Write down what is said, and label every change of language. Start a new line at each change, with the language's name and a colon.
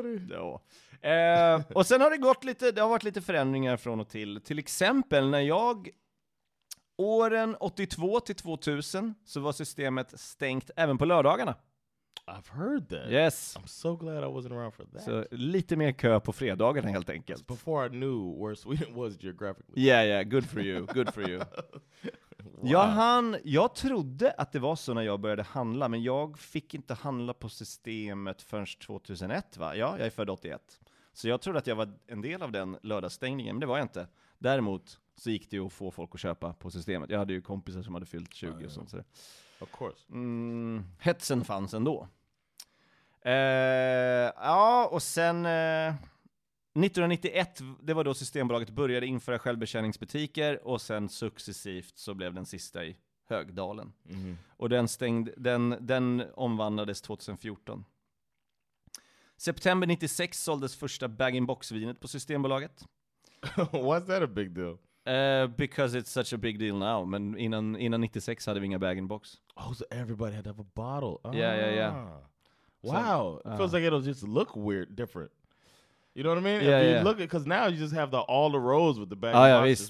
Swedish: Och sen har det gått lite, det har varit lite förändringar från och till. Till exempel när jag åren 82 till 2000 så var systemet stängt även på lördagarna.
English: I've heard that. Yes. I'm so glad I wasn't around for that.
Swedish: Så lite mer kö på fredagarna helt enkelt.
English: It's before I knew where Sweden was geographically. Yeah, yeah, good for you. Good for you. Wow.
Swedish: Jag trodde att det var så när jag började handla, men jag fick inte handla på systemet förrän 2001, va? Ja, jag är född 81. Så jag trodde att jag var en del av den lördagsstängningen, men det var jag inte. Däremot så gick det ju att få folk att köpa på systemet. Jag hade ju kompisar som hade fyllt 20 och sånt. Så.
English: Of course.
Swedish: Hetsen fanns ändå. Ja, och sen 1991, det var då Systembolaget började införa självbetjäningsbutiker och sen successivt så blev den sista i Högdalen. Mm. Och den omvandlades 2014. September 96 såldes första bag-in-box-vinet på Systembolaget.
English: What's that a big deal? Because it's such a big deal now.
Swedish: Men innan 96 hade vi inga bag-in-box.
English: Oh, so everybody had to have a bottle. Oh. Yeah, yeah, yeah. Wow. So, it feels like it'll just look weird, different. You know what I mean? Yeah, if you yeah. look at, because now you just have the all the rows with the bag boxes